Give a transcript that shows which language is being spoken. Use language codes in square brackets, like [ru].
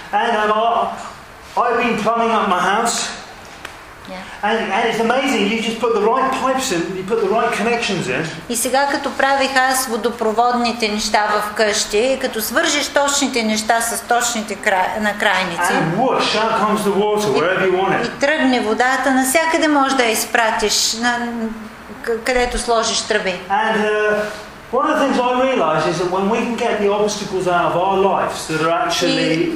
[en] And I've been plumbing up my house. Yeah. And it's amazing, you just put the right pipes in, you put the right connections in. [bg] И сега като правих аз водопроводните неща в къщи, като свържеш точните неща с точните на крайници. [en] And whoosh, out comes the water wherever you want it. [bg] И тръгне водата навсякъде, можеш да я изпратиш на където сложиш тръби. [en] And one of the things I realize is that when we can get the obstacles out of our lives that are actually